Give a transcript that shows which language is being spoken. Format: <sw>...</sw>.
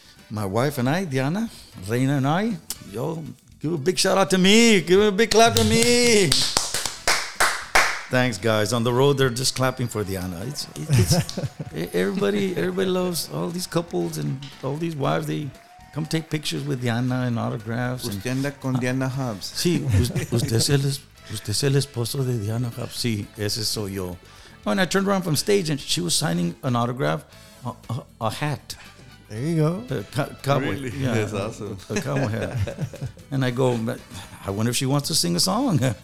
<en>My wife and I, Diana, Reina and I, yo, give a big shout out to me. Give a big clap to me. Thanks, guys. On the road, they're just clapping for Diana. Everybody loves all these couples and all these wives. They come take pictures with Diana and autographs.</en> <es>Usted anda con Diana Hobbs. Sí, usted es el esposo de Diana Hobbs. Sí, ese soy yo.</es> <en>And I turned around from stage and she was signing an autograph, a hat. There you go. Cowboy. Really? Yeah, that's awesome. A cowboy hat. And I go, I wonder if she wants to sing a song.</en>